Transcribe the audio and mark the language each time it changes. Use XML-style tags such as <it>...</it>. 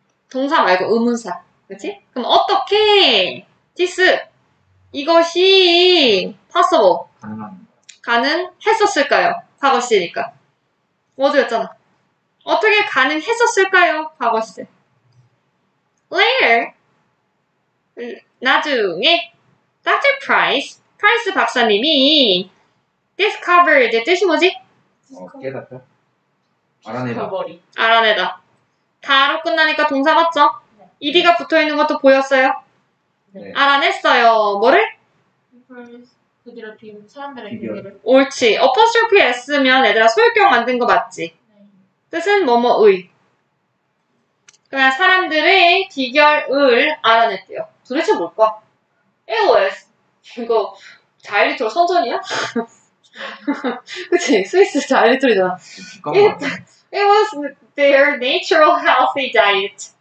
<ko>동사 말고, 의문사. 그치? 그럼 어떻게 this 이것이 possible 가능했었을까요? 과거 시제니까 워드였잖아. 어떻게 가능했었을까요? 과거 시제. later 나중에 Dr. Price 프라이스 박사님이 discovered 뜻이 뭐지? 깨닫다. 알아내다. 알아내다. 다로 끝나니까 동사 맞죠? 이디가 붙어있는 것도 보였어요? 네. 알아냈어요. 뭐를? 그들의 비밀, 사람들의 비밀을. 옳지. apostrophe s면 얘들아 소유격 만든 거 맞지? 네. 뜻은 뭐뭐의. 그냥 사람들의 비결을 알아냈대요. 도대체 뭘까? AOS. 이거 자일리토르 선전이야? 그치? 스위스 자일리토르잖아.</ko> <en>It was their natural healthy diet.</en>